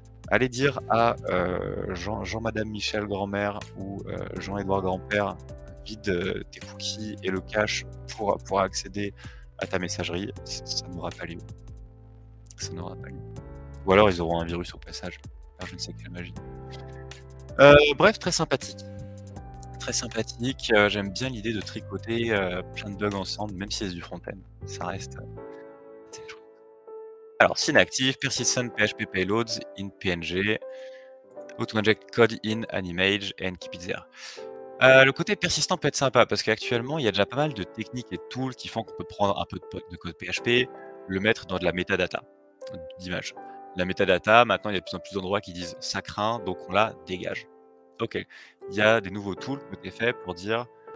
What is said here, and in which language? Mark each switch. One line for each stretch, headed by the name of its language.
French: Allez dire à Jean-Madame Michel Grand-Mère ou Jean-Edouard Grand-Père, vide tes cookies et le cache pour accéder à ta messagerie, ça n'aura pas lieu. Ça n'aura pas lieu. Ou alors ils auront un virus au passage. Alors, je ne sais quelle magie. Bref, très sympathique. Très sympathique. J'aime bien l'idée de tricoter plein de bugs ensemble, même si c'est du front-end. Ça reste assez chouette.
English: Alors, synactive, persistent, PHP payloads, in PNG, auto-inject code in animage, and keep it there.
French: Le côté persistant peut être sympa parce qu'actuellement il y a déjà pas mal de techniques et de tools qui font qu'on peut prendre un peu de code PHP, le mettre dans de la metadata d'image. La metadata, maintenant il y a de plus en plus d'endroits qui disent ça craint, donc on la dégage. Ok, il y a des nouveaux tools qui ont été faits pour dire